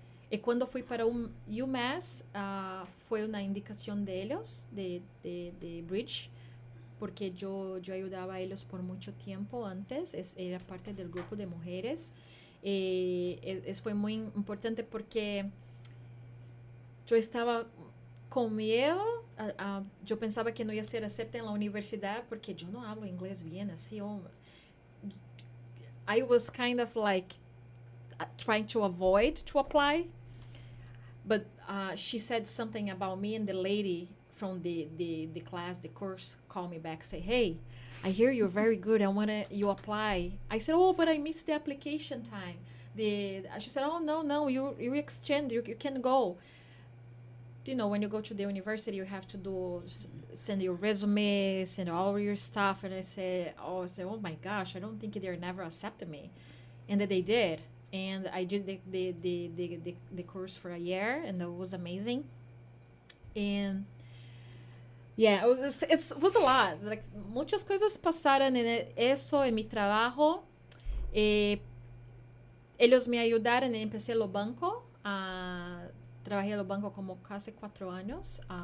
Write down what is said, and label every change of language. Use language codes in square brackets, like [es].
[es] Y cuando fui para UMass, fue una indicación de ellos, de Bridge, porque yo ayudaba a ellos por mucho tiempo antes, era parte del grupo de mujeres. Fue muy importante porque yo estaba con miedo, yo pensaba que no iba a ser acepta en la universidad porque yo no hablo inglés bien, así. [en] I was kind of like trying to avoid to apply, but she said something about me, and the lady from the class, the course, called me back, say, hey, I hear you're very good. I want to, you apply. I said, oh, but I missed the application time. She said, oh, no, you exchange, you can go. You know, when you go to the university, you have to send your resume, send all your stuff. And I said, oh my gosh, I don't think they're never accepting me. And they did. And I did the course for a year, and it was amazing. And yeah, it was a lot. [es] Like, muchas cosas pasaron en eso, en mi trabajo. Ellos me ayudaron, y empecé lo banco. Trabajé en lo banco como casi 4 años.